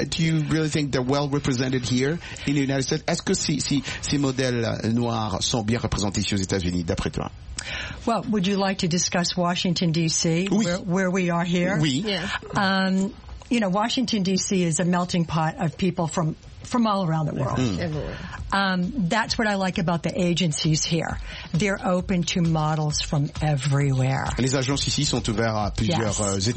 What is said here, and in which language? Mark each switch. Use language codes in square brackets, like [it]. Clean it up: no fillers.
[en] Do you really think they're well represented here in the United States? [fr] Est-ce que ces modèles noirs sont bien représentés ici aux États-Unis, d'après toi? [en] Well, would you like to discuss Washington, D.C., [fr] oui. [en] where we are here? [fr] Oui. [en] Yeah. Washington, D.C. is a melting pot of people from all around the world. That's what I like about the agencies here. They're open to models from everywhere. [fr] Les agences ici sont ouvertes à plusieurs ethnies.